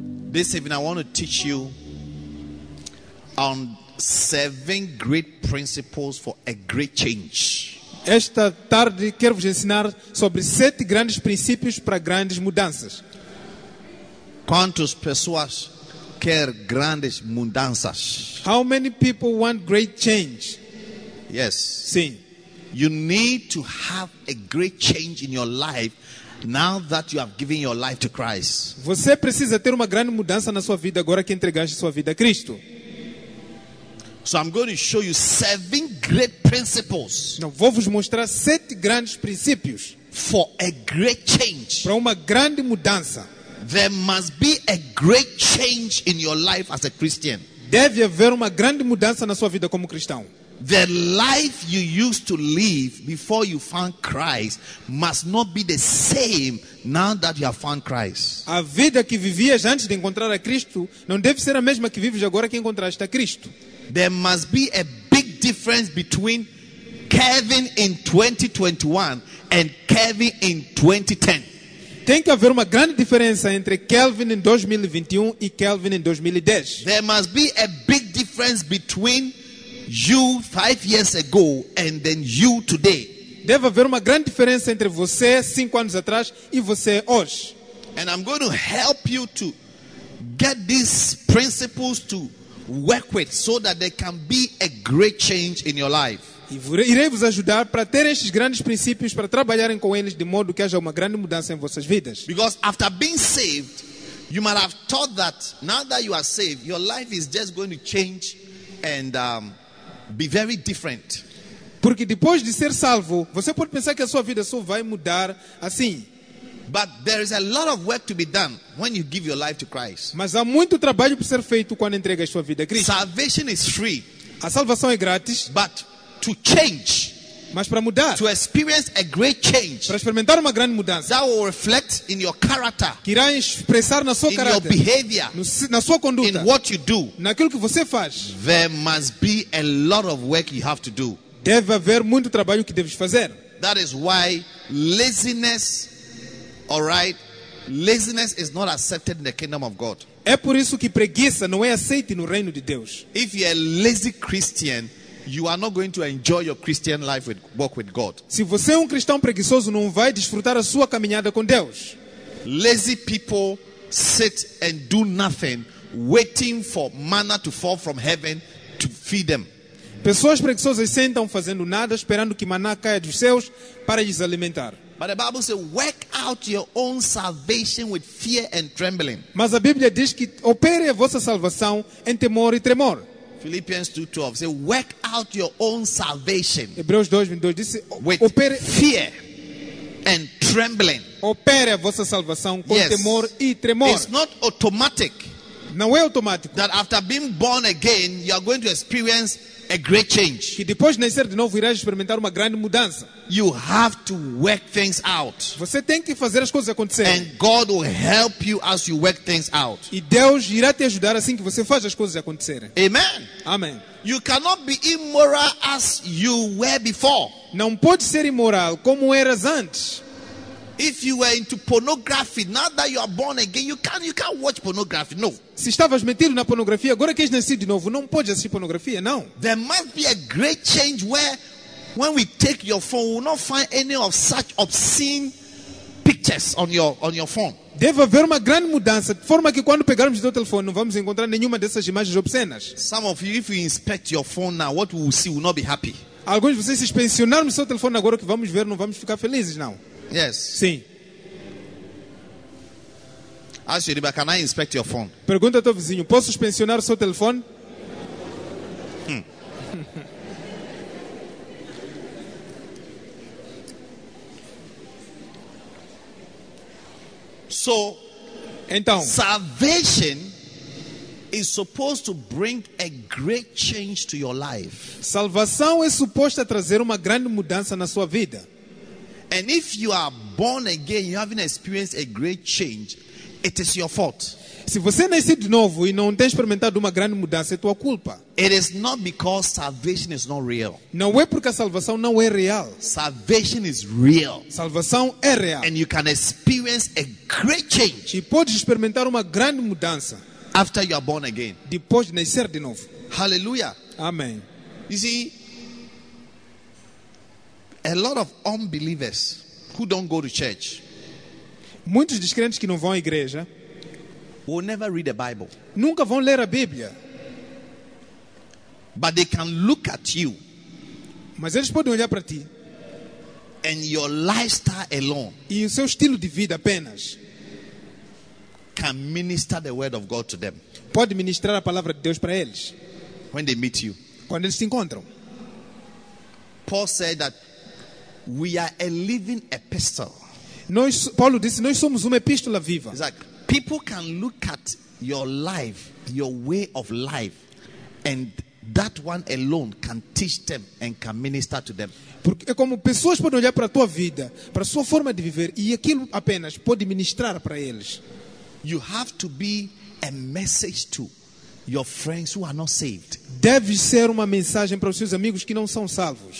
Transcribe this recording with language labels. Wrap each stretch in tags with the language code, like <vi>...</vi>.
<en>This evening I want to teach you on 7 great principles for a great change.</en> <pt>Esta tarde quero vos ensinar sobre 7 grandes princípios para grandes mudanças. Quantas pessoas querem grandes mudanças?</pt> <en>How many people want great change? Yes.</en> <pt>Sim.</pt> <en>You need to have a great change in your life now that you have given your life to Christ.</en> <pt>Você precisa ter uma grande mudança na sua vida agora que entregaste sua vida a Cristo.</pt> <en>So I'm going to show you seven great principles.</en> <pt>Então, vou vos mostrar sete grandes princípios.</pt> <en>For a great change.</en> <pt>Para uma grande mudança.</pt> <en>There must be a great change in your life as a Christian.</en> <pt>Deve haver uma grande mudança na sua vida como cristão.</pt> <en>The life you used to live before you found Christ must not be the same now that you have found Christ.</en> <pt>A vida que vivias antes de encontrar a Cristo não deve ser a mesma que vives agora que encontraste a Cristo.</pt> <en>There must be a big difference between Kevin in 2021 and Kevin in 2010.</en> <pt>Tem que haver uma grande diferença entre Kelvin em 2021 e Kelvin em 2010.</pt> <en>There must be a big difference between you 5 years ago and then you today.</en> <pt>Deve haver uma grande diferença entre você 5 anos atrás e você hoje.</pt> <en>And I'm going to help you to get these principles to work with so that there can be a great change in your life.</en> <pt>Irei vos ajudar para ter estes grandes princípios para trabalharem com eles de modo que haja uma grande mudança em vossas vidas.</pt> <en>Because after being saved, you might have thought that now that you are saved, your life is just going to change and be very different.</en> <pt>Porque depois de ser salvo, você pode pensar que a sua vida só vai mudar assim.</pt> <en>But there is a lot of work to be done when you give your life to Christ.</en> <pt>Mas há muito trabalho para ser feito quando entrega a sua vida a Cristo.</pt> <en>Salvation is free.</en> <pt>A salvação é grátis.</pt> <en>But to change,</en> <pt>mas para mudar,</pt> <en>to experience a great change,</en> <pt>para experimentar uma grande mudança,</pt> <en>that will reflect in your character,</en> <pt>que irá expressar na sua</pt> <en>in</en> <pt>caráter,</pt> <en>your behavior,</en> <pt>na sua conduta,</pt> <en>in what you do,</en> <pt>naquilo que você faz.</pt> <en>There must be a lot of work you have to do.</en> <pt>Deve haver muito trabalho que deves fazer.</pt> <en>That is why laziness, all right, laziness is not accepted in the kingdom of God.</en> <pt>É por isso que preguiça não é aceita no reino de Deus.</pt> <en>If you are a lazy Christian, you are not going to enjoy your Christian life with walk with God.</en> <pt>Se você é cristão preguiçoso, não vai desfrutar a sua caminhada com Deus.</pt> <en>Lazy people sit and do nothing, waiting for manna to fall from heaven to feed them.</en> <pt>Pessoas preguiçosas sentam fazendo nada, esperando que maná caia dos céus para lhes alimentar.</pt> <en>But the Bible says, work out your own salvation with fear and trembling.</en> <pt>Mas a Bíblia diz que opere a vossa salvação em temor e tremor.</pt> <en>Philippians 2:12 says, work out your own salvation.</en> <pt>Hebreus 2:22 diz,</pt> <en>with</en> <pt>opere</pt> <en>fear and trembling.</en> <pt>Opere a vossa salvação com</pt> <en>yes.</en> <pt>temor e tremor.</pt> <en>It's not automatic.</en> <pt>Não é automático.</pt> <en>That after being born again, you are going to experience a great change.</en> <pt>Que depois de nascer de novo, irás experimentar uma grande mudança.</pt> <en>You have to work things out.</en> <pt>Você tem que fazer as coisas acontecerem.</pt> <en>And God will help you as you work things out.</en> <pt>E Deus irá te ajudar assim que você faz as coisas acontecerem.</pt> <en>Amen.</en> <pt>Amen.</pt> <en>You cannot be immoral as you were before.</en> <pt>Não pode ser imoral como eras antes.</pt> <en>If you were into pornography, now that you are born again, you can't watch pornography. No.</en> <pt>Se estavas metido na pornografia, agora que és nascido de novo, não podes assistir pornografia, não.</pt> <en>There must be a great change where, when we take your phone, we will not find any of such obscene pictures on your phone.</en> <pt>Deve haver uma grande mudança, de forma que quando pegarmos o teu telefone, não vamos encontrar nenhuma dessas imagens obscenas.</pt> <en>Some of you, if you inspect your phone now, what we will see will not be happy.</en> <pt>Alguns de vocês, se inspecionarmos o seu telefone agora, o que vamos ver, não vamos ficar felizes, não.</pt> <en>Yes.</en> <pt>Sim.</pt> <en>Ask your neighbor, can I inspect your phone?</en> <pt>Pergunta ao teu vizinho, posso inspecionar o seu telefone?</pt> <en>So,</en> <pt>então,</pt> <en>salvation is supposed to bring a great change to your life.</en> <pt>Salvação é suposta trazer uma grande mudança na sua vida.</pt> <en>And if you are born again, you haven't experienced a great change, it is your fault.</en> <pt>Se você nasceu de novo e não tem experimentado uma grande mudança, é tua culpa.</pt> <en>It is not because salvation is not real.</en> <pt>Não é porque a salvação não é real.</pt> <en>Salvation is real.</en> <pt>Salvação é real.</pt> <en>And you can experience a great change.</en> <pt>E podes experimentar uma grande mudança.</pt> <en>After you are born again.</en> <pt>Depois de nascer de novo.</pt> <en>Hallelujah.</en> <pt>Amém.</pt> <en>You see, a lot of unbelievers who don't go to church.</en> <pt>Muitos descrentes que não vão à igreja.</pt> <en>Will never read the Bible.</en> <pt>Nunca vão ler a Bíblia.</pt> <en>But they can look at you.</en> <pt>Mas eles podem olhar para ti.</pt> <en>and your lifestyle alone,</en> <pt>e o seu estilo de vida apenas,</pt> <en>can minister the word of God to them.</en> <pt>Pode ministrar a palavra de Deus para eles.</pt> <en>When they meet you,</en> <pt>quando eles se encontram.</pt> <en>Paul said that we are a living epistle.</en> <pt>Nós, Paulo disse, nós somos uma epístola viva.</pt> <en>Like people can look at your life, your way of life, and that one alone can teach them and can minister to them.</en> <pt>Porque é como pessoas podem olhar para a tua vida, para a sua forma de viver, e aquilo apenas pode ministrar para eles.</pt> <en>You have to be a message to your friends who are not saved.</en> <pt>Deve ser uma mensagem para os seus amigos que não são salvos.</pt>